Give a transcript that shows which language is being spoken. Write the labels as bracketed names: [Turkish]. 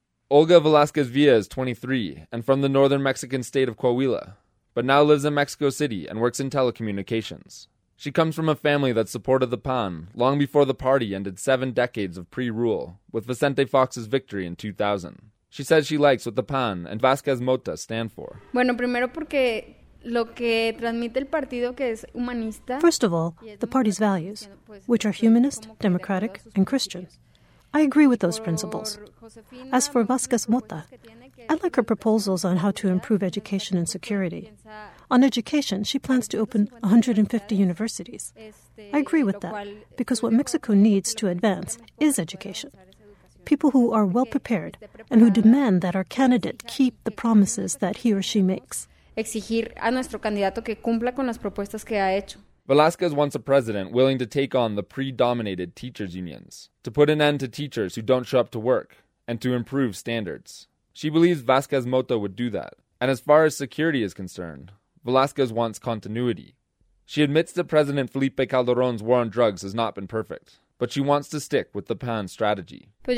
[English] Olga Velázquez Villa is 23 and from the northern Mexican state of Coahuila, but now lives in Mexico City and works in telecommunications. She comes from a family that supported the PAN long before the party ended 7 decades of pre-rule, with Vicente Fox's victory in 2000. She says she likes what the PAN and Vázquez Mota stand for. [Spanish] Bueno, primero porque lo que transmite el partido, que es humanista. [English] First of all, the party's values, which are humanist, democratic, and Christian. I agree with those principles. As for Vázquez Mota, I like her proposals on how to improve education and security. On education, she plans to open 150 universities. I agree with that, because what Mexico needs to advance is education. People who are well-prepared and who demand that our candidate keep the promises that he or she makes. [Spanish] Exigir a nuestro candidato que cumpla con las propuestas que ha hecho. [English] Velázquez wants a president willing to take on the pre-dominated teachers' unions, to put an end to teachers who don't show up to work, and to improve standards. She believes Vázquez Mota would do that. And as far as security is concerned, Velázquez wants continuity. She admits that President Felipe Calderón's war on drugs has not been perfect, but she wants to stick with the PAN strategy.